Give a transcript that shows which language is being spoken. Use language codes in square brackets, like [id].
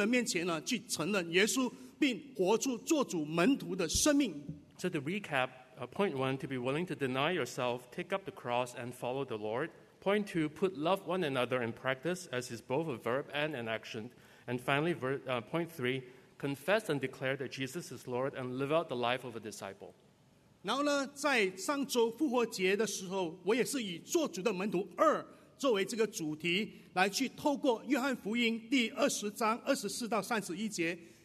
[zh] 就是愿意舍己，背起自己十字架来跟从主。第二，就是实践彼此相爱，因为它是一句的动词及一种的行动。第三，就是在众人面前呢，去承认耶稣。 [en] So to recap, point one, to be willing to deny yourself, take up the cross, and follow the Lord. Point two, put love one another in practice, as is both a verb and an action. And finally, point three, confess and declare that Jesus is Lord and live out the life of a disciple. [zh] 然后呢，在上周复活节的时候，我也是以做主的门徒二作为这个主题，来去透过约翰福音第20章24到31节。